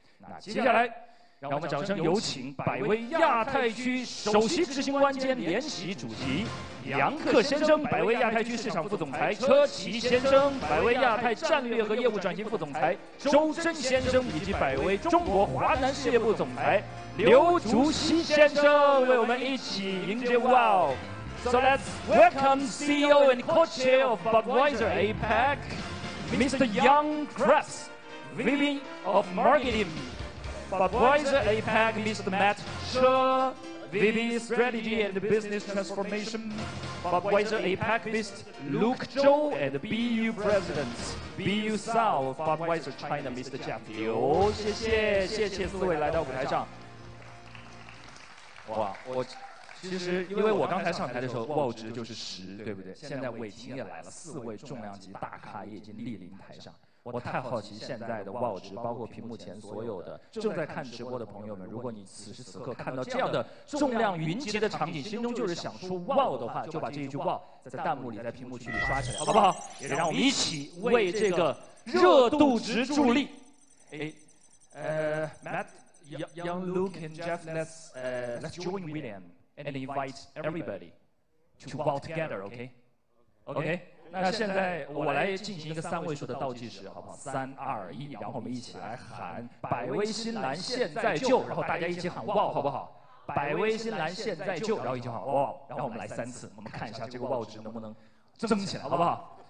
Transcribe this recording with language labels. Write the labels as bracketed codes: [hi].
[zh] 那接下来让我们掌声有请百威亚太区首席执行官兼联席主席杨克先生，百威亚太区市场副总裁车奇先生，百威亚太战略和业务转型副总裁周真先生，以及百威中国华南事业部总裁刘竹熙先生，为我们一起迎接 WOW。 [en] So let's welcome CEO and co-chair of Budweiser APAC, Mr. Young Kress, VP of Marketing,Budweiser APAC, Mr. Matt Che, VP Strategy and Business Transformation, Budweiser APAC, Mr. Luke Zhou, and BU President, BU South, Budweiser China, Mr. Jeff Liu. [zh] 谢谢，谢谢四位来到舞台上。哇，我其实因为我刚才上台的时候 ，WOW 值就是十，对不对？现在伟霆也来了，四位重量级大咖也已经莅临台上。我太好奇现在的 WOW 值，包括屏幕前所有的正在看直播的朋友们，如果你此时此刻看到这样的重量云集的场景，心中就是想出 WOW 的话，就把这一句 WOW 在弹幕里，在屏幕区里刷起来，好不好？也让我们一起为这个热度值助力。 [en] Matt, Young Luke and Jeff, let's join William and invite everybody to WOW together, okay? Okay. [zh] 那现在我来进行一个三位数的倒计时，好不好？三二一，然后我们一起来喊“百威新男现在就”，然后大家一起喊“哇”，好不好？“百威新男现在就”，然后一起喊“哇”，然后我们来三次，我们看一下这个“哇”值能不能增起来，好不好？